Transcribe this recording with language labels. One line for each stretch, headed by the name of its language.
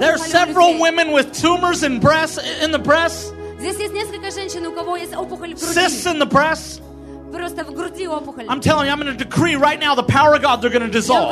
English: There are several women with tumors in breasts, in the breasts.
Russian: Здесь есть несколько женщин, у кого есть опухоль в груди.
English: Cysts in the breasts.
Russian: Просто в груди опухоль.
English: I'm telling you, I'm going to decree right now the power of God, they're going to dissolve.